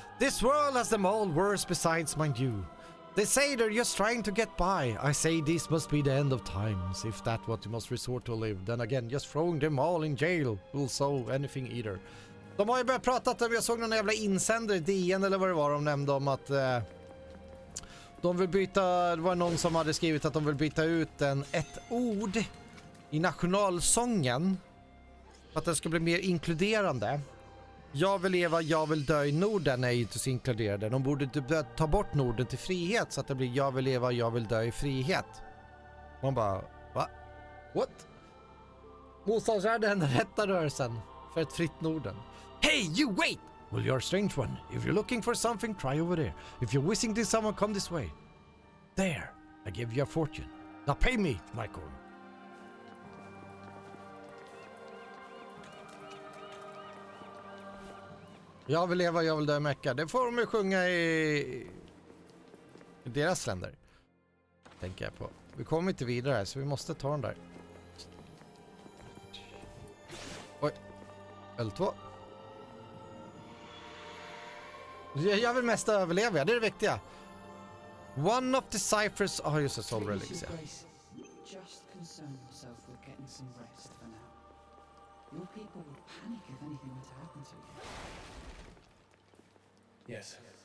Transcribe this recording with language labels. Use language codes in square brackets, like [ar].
[en] This world has them all worse besides, mind you. They say they're just trying to get by. I say this must be the end of times, if that what you must resort to live. Then again, just throwing them all in jail will solve anything either. [sv] De har ju börjat prata, att jag såg någon jävla insändare i DN eller vad det var de nämnde om att de vill byta, det var någon som hade skrivit att de vill byta ut ett ord i nationalsången. Att den ska bli mer inkluderande. Jag vill leva, jag vill dö i Norden är ju inte så inkluderande. De borde ta bort Norden till frihet så att det blir jag vill leva, jag vill dö i frihet. Man bara, va? [en] What? [sv] Motståndsrörelsen är den rätta rörelsen för ett fritt Norden. [en] Hey, you wait! Well, you're a strange one. If you're looking for something, try over there. If you're wishing to someone, come this way. There, I give you a fortune. Now pay me, Michael. [sv] Jag vill leva, jag vill dö i Mecka. Det får de sjunga i deras länder. Tänker jag på. Vi kommer inte vidare här, så vi måste ta den där. Oj. L2. Jag vill mest överleva, det är det viktiga. [en] One of the ciphers... Ah, just a soul relic. Just concern yourself with getting some rest for now. Your people will panic if anything were to happen to you. Yes.